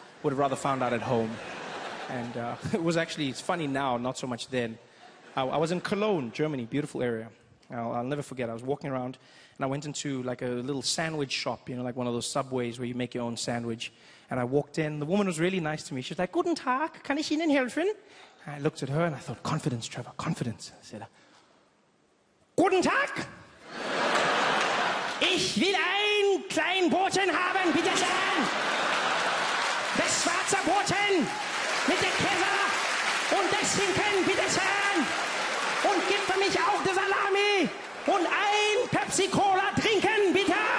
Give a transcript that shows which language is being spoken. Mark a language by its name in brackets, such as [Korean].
[English] Would have rather found out at home. And it was actually, it's funny now, not so much then. I was in Cologne, Germany, beautiful area. I'll never forget. I was walking around and I went into like a little sandwich shop, you know, like one of those Subways where you make your own sandwich. And I walked in. The woman was really nice to me. She's like, [German] "Guten Tag, kann ich Ihnen helfen?" [English] And I looked at her and I thought, confidence, Trevor, confidence. I said, [German] "Guten Tag! Ich will ein klein Brötchen haben, bitte schön. Das schwarze Brötchen mit dem Käse und dem Schinken, bitte schön. Und gib für mich auch die Salami und ein Pepsi-Cola trinken, bitte."